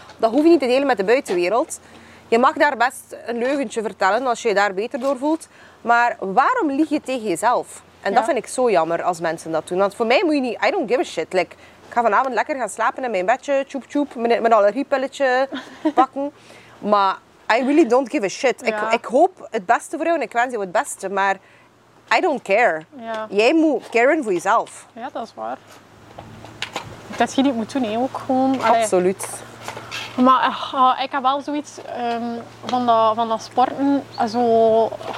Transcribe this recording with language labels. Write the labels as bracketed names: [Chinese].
[Dutch] Dat hoef je niet te delen met de buitenwereld. Je mag daar best een leugentje vertellen als je je daar beter door voelt. Maar waarom lieg je tegen jezelf? En dat vind ik zo jammer als mensen dat doen. Want voor mij moet je niet... [English] I don't give a shit. [Dutch] Like, ik ga vanavond lekker gaan slapen in mijn bedje. Tjoep, tjoep. Mijn allergiepilletje pakken. [English] Maar I really don't give a shit. [Dutch] Ja. Ik hoop het beste voor jou en ik wens jou het beste. [English] Maar I don't care. [Dutch] Ja. Jij moet caren voor jezelf. Ja, dat is waar. Dat je niet moet doen, ook gewoon. Absoluut. Allee. Maar ik heb wel zoiets van dat sporten. Zo,